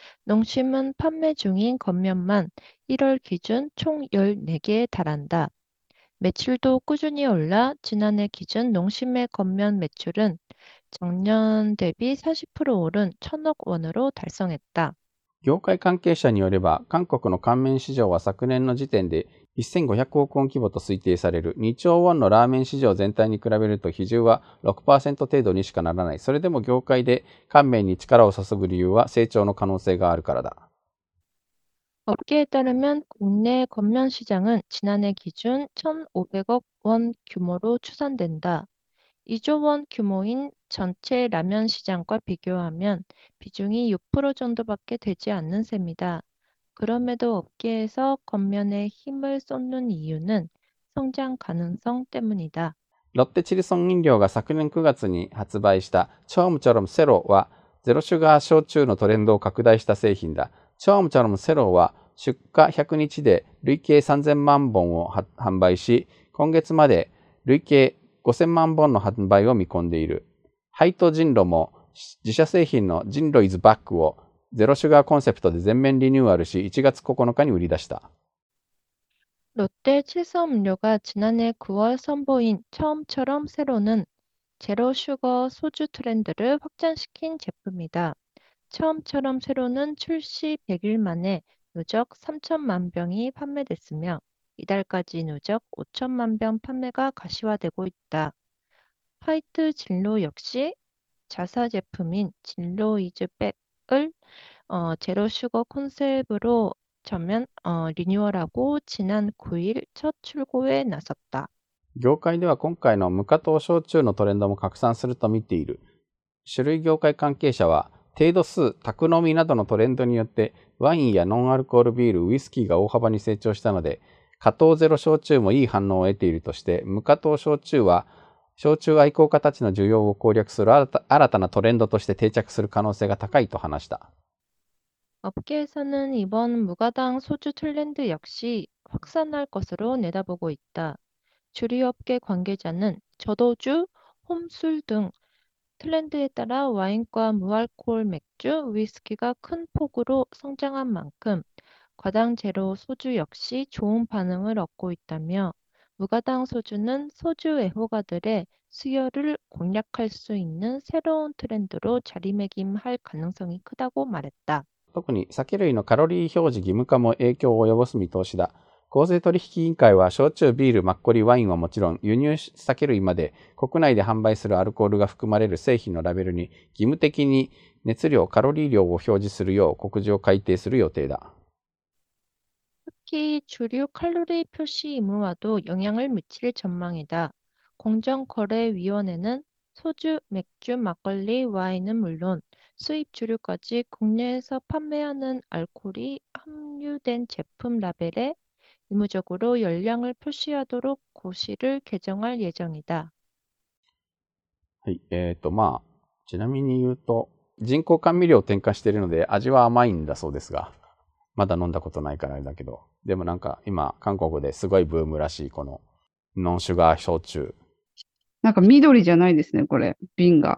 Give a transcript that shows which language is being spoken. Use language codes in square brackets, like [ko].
[ko] 농심은 판매 중인 건면만 1월 기준 총 14개에 달한다. 매출도 꾸준히 올라 지난해 기준 농심의 건면 매출은 작년 대비 40% 오른 1,000억 원으로 달성했다. [ja] 業界関係者によれば、韓国の乾麺市場は昨年の時点で1500億ウォン規模と推定される。 2兆ウォンのラーメン市場全体に比べると比重は6%程度にしかならない。それでも業界で乾麺に力を注ぐ理由は成長の可能性があるからだ。 [ko] 업계에 따르면 국내 건면 시장은 지난해 기준 1,500억 원 규모로 추산된다. 2조 원 규모인 전체 라면 시장과 비교하면 비중이 6% 정도밖에 되지 않는 셈이다. 그럼에도 업계에서 건면에 힘을 쏟는 이유는 성장 가능성 때문이다. [ja] 롯데 칠성 飲料が昨年9月に発売したチョームチョロムセロはゼロシュガー焼酎のトレンドを拡大した製品だ。チョームチョロムセロは出荷100日で累計3000万本を販売し、今月まで累計5000万本の販売を見込んでいる。ハイトジンロも自社製品のジンロイズバックをゼロシュガーコンセプトで全面リニューアルし、1月9日に売り出した。 [ko] 롯데 칠성 음료가 지난해 9월 선보인 처음처럼 새로는 제로 슈거 소주 트렌드를 확장시킨 제품이다. 처음처럼 새로는 출시 100일 만에 누적 3천만 병이 판매됐으며 이달까지 누적 5천만 병 판매가 가시화되고 있다. 화이트 진로 역시 자사 제품인 진로 이즈 백을 제로 슈거 컨셉으로 전면 리뉴얼하고 지난 9일 첫 출고에 나섰다. [ja] 業界では今回の無加糖焼酎のトレンドも拡散すると見ている。酒類業界関係者は、程度数、宅飲みなどのトレンドによって、ワインやノンアルコールビール、ウイスキーが大幅に成長したので、加糖ゼロ焼酎もいい反応を得ているとして、無加糖焼酎は、焼酎愛好家たちの需要を攻略する新たなトレンドとして定着する可能性が高いと話した。 [ko] 업계에서는 이번 무가당 소주 트렌드 역시 확산할 것으로 내다보고 있다. 주류업계 관계자는 저도주, 홈술 등 트렌드에 따라 와인과 무알콜 맥주, 위스키가 큰 폭으로 성장한 만큼 과당 제로 소주 역시 좋은 반응을 얻고 있다며 무가당 소주는 소주 애호가들의 수요를 공략할 수 있는 새로운 트렌드로 자리매김할 가능성이 크다고 말했다. [ja] 特に酒類のカロリー表示義務化も影響を及ぼす見通しだ。公正取引委員会は、焼酎、ビール、マッコリ、ワインはもちろん、輸入酒類まで国内で販売するアルコールが含まれる製品のラベルに義務的に熱量、カロリー量を表示するよう告示を改定する予定だ。 [ko] 특히 주류 칼로리 표시 의무화도 영향을 미칠 전망이다. 공정거래위원회는 소주, 맥주, 막걸리, 와인은 물론 수입 주류까지 국내에서 판매하는 알코올이 함유된 제품 라벨에 의무적으로 열량을 표시하도록 고시를 개정할 예정이다. [ja] はい、ちなみに言うと、人工甘味料を添加しているので味は甘いんだそうですが、まだ飲んだことないからあれだけど、でもなんか今、韓国ですごいブームらしい、このノンシュガー焼酎。なんか緑じゃないですね、これ、瓶が。